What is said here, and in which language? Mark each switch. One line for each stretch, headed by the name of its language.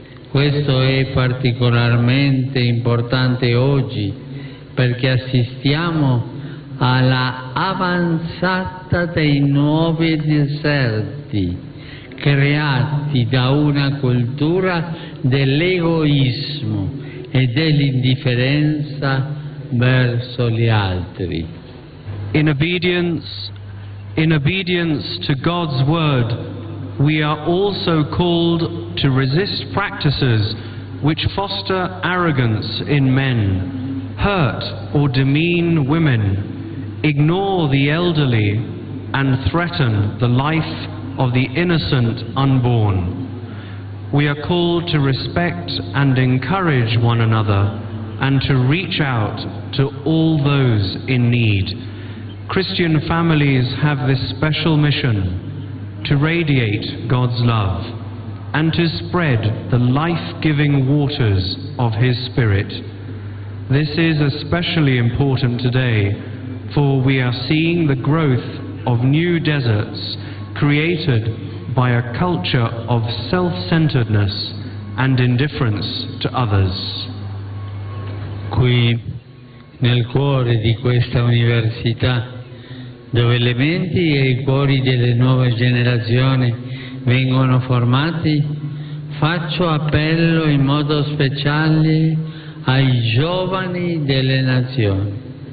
Italian: Questo è particolarmente importante oggi, perché assistiamo alla avanzata dei nuovi deserti creati da una cultura dell'egoismo e dell'indifferenza verso gli altri.
English: In obedience to God's word, we are also called to resist practices which foster arrogance in men, hurt or demean women, ignore the elderly, and threaten the life of the innocent unborn. We are called to respect and encourage one another and to reach out to all those in need. Christian families have this special mission: to radiate God's love and to spread the life-giving waters of His Spirit. This is especially important today, for we are seeing the growth of new deserts created by a culture of self-centeredness and indifference to others.
Italian: Qui, nel cuore di questa università, dove le menti e i cuori delle nuove generazioni vengono formati, faccio appello in modo speciale ai giovani delle nazioni.